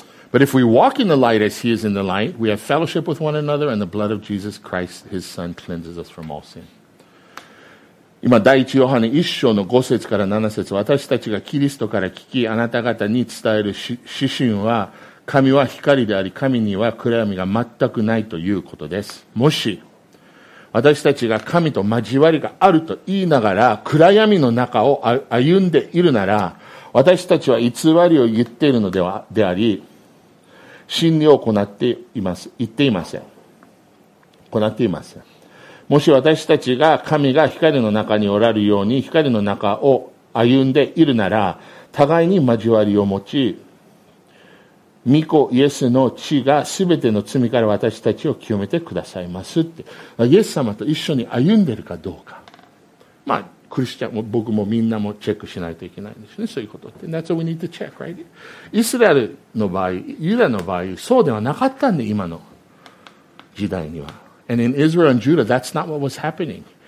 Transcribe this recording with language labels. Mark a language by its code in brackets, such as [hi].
[en] But if we walk in the light as he is in the light, we have fellowship with one another and the blood of Jesus Christ, his son, cleanses us from all sin. [ja] 今第一ヨハネ1章の5節から7節、私たちがキリストから聞きあなた方に伝える指針は、神は光であり神には暗闇が全くないということです。もし私たちが神と交わりがあると言いながら暗闇の中を歩んでいるなら、私たちは偽りを言っているのではであり真理を行っています、言っていません、行っていません。もし私たちが神が光の中におられるように光の中を歩んでいるなら、互いに交わりを持ち、御子イエスの血が全ての罪から私たちを清めてくださいますって。イエス様と一緒に歩んでるかどうか。まあ、クリスチャンも僕もみんなもチェックしないといけないんですね。そういうことって。 [en] That's what we need to check, right? [ja] イスラエルの場合、ユダの場合、そうではなかったんで、今の時代には。 [en] And in Israel and Judah, that's not what was happening.